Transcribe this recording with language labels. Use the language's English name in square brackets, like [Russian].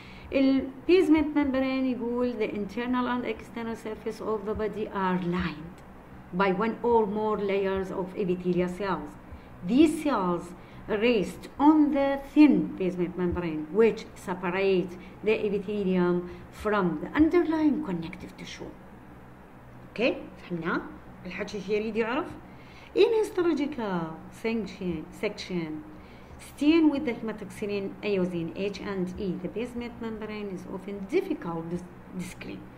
[English] The basement membrane يقول the internal and external surface of the body are lined by one or more layers of epithelial cells. These cells rest on the thin basement membrane which separates the epithelium from the underlying connective tissue. [Arabic] Okay, فهمنا الحكي شو يريد يعرف. [English] In histological section stain with the hematoxylin eosin H and E, the basement membrane is often difficult to screen.